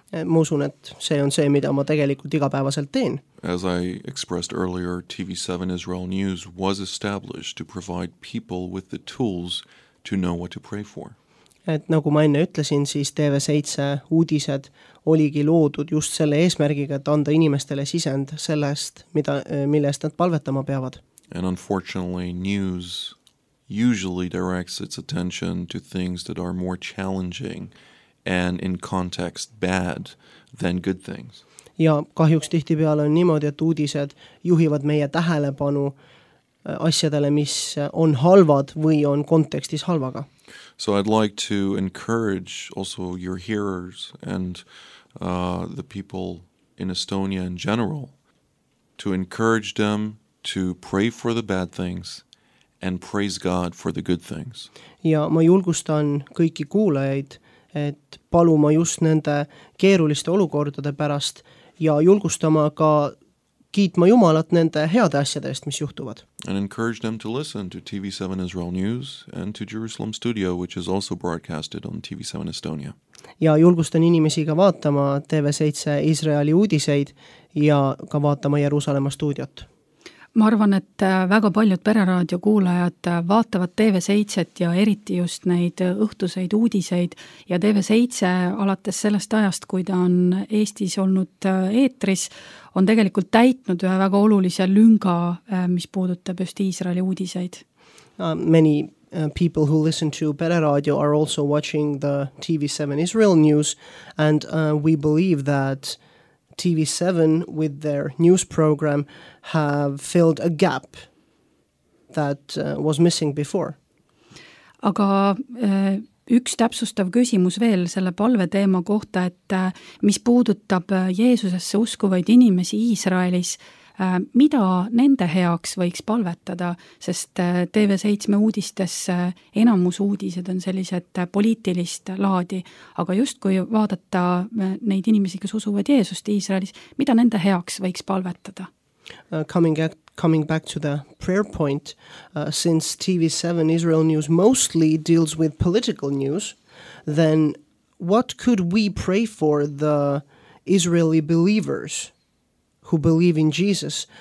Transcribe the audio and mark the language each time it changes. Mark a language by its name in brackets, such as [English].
[Estonian] Ma usun, et see on see, mida ma tegelikult igapäevaselt teen. [English] As I expressed earlier, TV7 Israel News was established to provide people with the tools to know what to pray for. [Estonian] Et nagu ma enne ütlesin, siis TV7 uudised oligi loodud just selle eesmärgiga, et anda inimestele sisend sellest, millest nad palvetama peavad. [English] And unfortunately, news usually directs its attention to things that are more challenging and in context bad than good things. [Estonian] Ja kahjuks tihti peale on niimoodi, et uudised juhivad meie tähelepanu asjadele, mis on halvad või on kontekstis halvaga. [English] So I'd like to encourage also your hearers and the people in Estonia in general to encourage them to pray for the bad things and praise God for the good things. [Estonian] Ja ma julgustan kõiki kuulajaid, et paluma just nende keeruliste olukordade pärast ja julgustama ka kiitma Jumalat nende heade asjadest, mis juhtuvad. [English] And encourage them to listen to TV7 Israel News and to Jerusalem Studio, which is also broadcasted on TV7 Estonia. [Estonian] Ja julgustan inimesi ka vaatama TV7 Israeli uudiseid ja ka vaatama Jerusalema stuudiot. Ma arvan, et väga paljud pereraadio kuulajad vaatavad TV7 ja eriti just neid õhtuseid uudiseid ja TV7 alates sellest ajast, kui ta on Eestis olnud eetris, on tegelikult täitnud ühe väga olulise lünga, mis puudutab just Iisraeli uudiseid. [English] Many people who listen to pereraadio are also watching the TV7 Israel news and we believe that TV7 with their news program have filled a gap that was missing before. [Estonian] Aga üks täpsustav küsimus veel selle palve teema kohta, et mis puudutab Jeesusesse uskuvaid inimesi Iisraelis, mida nende heaks võiks palvetada, sest TV7 uudistes enamus uudised on sellised poliitilist laadi, aga just kui vaadata neid inimesi, kes usuvad Jeesust Iisraelis, mida nende heaks võiks palvetada? [English] Coming back to the prayer point, since TV7 Israel News mostly deals with political news, then what could we pray for the Israeli believers who believe in Jesus?